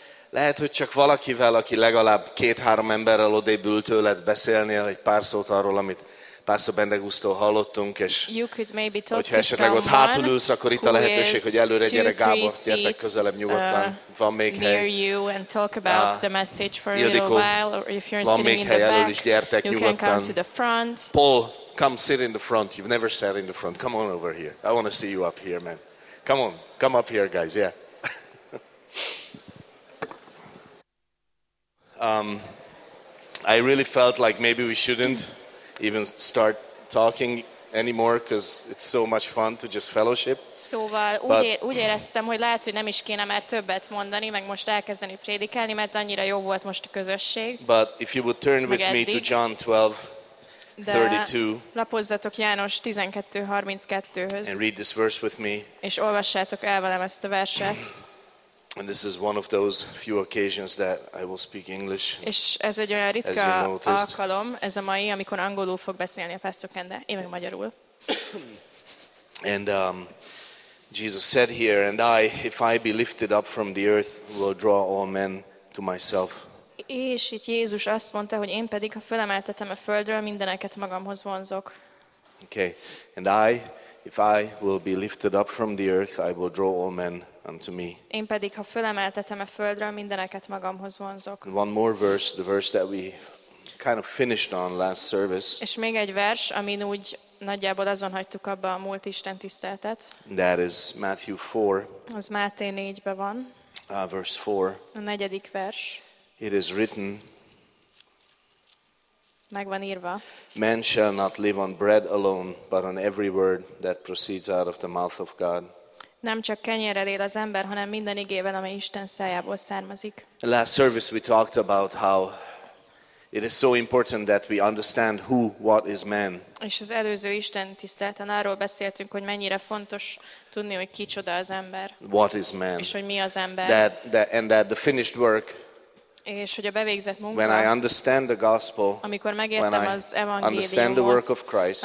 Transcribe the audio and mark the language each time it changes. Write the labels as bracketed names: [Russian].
[Hungarian] Lehet, hogy csak valakivel, aki legalább 2-3 emberrel odébb ült tőled beszélnél egy pár szót arról, amit Pászor Bendegúztól hallottunk, és hogyha esetleg ott hátul ülsz, akkor itt a lehetőség, hogy előre gyere, Gábor, gyertek közelebb nyugodtan. Van még hely. Ildikó, van még hely, elől is gyertek nyugodtan. [English] Paul, come sit in the front. You've never sat in the front. Come on over here. I want to see you up here, man. Come on. Come up here, guys. Yeah. I really felt like maybe we shouldn't even start talking anymore because it's so much fun to just fellowship. [Hungarian] Szóval úgy éreztem, hogy lehet, hogy nem is kéne már többet mondani, meg most elkezdeni prédikálni, mert annyira jó volt most a közösség. [English] But if you would turn with me to John 12:32. [Hungarian] Lapozzatok János 12:32-höz. [English] And read this verse with me. [Hungarian] És olvassátok el velem ezt a verset. [English] And this is one of those few occasions that I will speak English. [Hungarian] És ez egy olyan ritka alkalom, ez a mai, amikor angolul fog beszélni a Pastor Kende, én meg magyarul. [English] And Jesus said here, and I, if I be lifted up from the earth, will draw all men to myself. [Hungarian] És itt Jézus azt mondta, hogy én pedig, ha fölemeltetem a földről, mindeneket magamhoz vonzok. [English] Okay, and I, if I will be lifted up from the earth, I will draw all men unto me. [Hungarian] Én pedig, ha fölemeltetem a földről, mindeneket magamhoz vonzok. [English] One more verse, the verse that we kind of finished on last service. [Hungarian] És még egy vers, amin úgy nagyjából azon hagytuk abba a múlt Isten tiszteletet. [English] That is Matthew 4. [Hungarian] Az Máté 4-ben van. [English] Verse 4. [Hungarian] A negyedik vers. [English] It is written. [Hungarian] Megvan írva. [English] Man shall not live on bread alone, but on every word that proceeds out of the mouth of God. [Hungarian] Nem csak kenyérrel él az ember, hanem minden igével, ami Isten szájából származik. [English] The last service we talked about how it is so important that we understand who, what is man. [Hungarian] És az előző Isten tiszteleten arról beszéltünk, hogy mennyire fontos tudni, hogy kicsoda az ember. [English] What is man? [Hungarian] És hogy mi az ember. [English] That the finished work. [Hungarian] És hogy a bevégzett munka. [English] When I understand the gospel. [Hungarian] Amikor megértem az evangéliumot. [English] Understand the work of Christ.